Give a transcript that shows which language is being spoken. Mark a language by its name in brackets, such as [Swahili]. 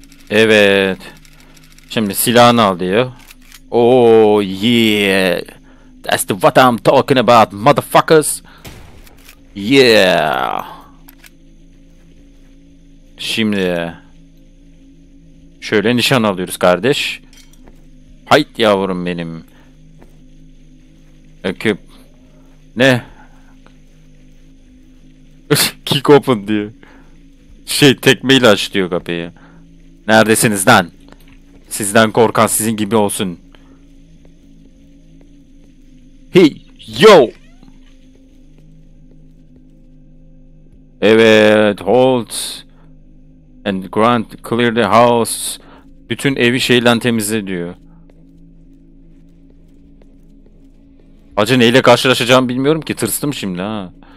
[Turkish] Evet. Şimdi silahını al diyor. [English] Oh yeah. That's the what I'm talking about, motherfuckers. Yeah. [Turkish] Şimdi şöyle nişan alıyoruz kardeş. Hayt yavrum benim. Öküp. Ne? [English] Kick open [Turkish] diyor. Şey tekmeyle açlıyor kapıyı. Neredesiniz lan? Sizden korkan sizin gibi olsun. [English] Hey, yo. [Turkish] Evet, hold. [English] And grant clear the house. [Turkish] Bütün evi şeyden temizle diyor. Acı neyle karşılaşacağımı bilmiyorum ki. Tırstım şimdi ha.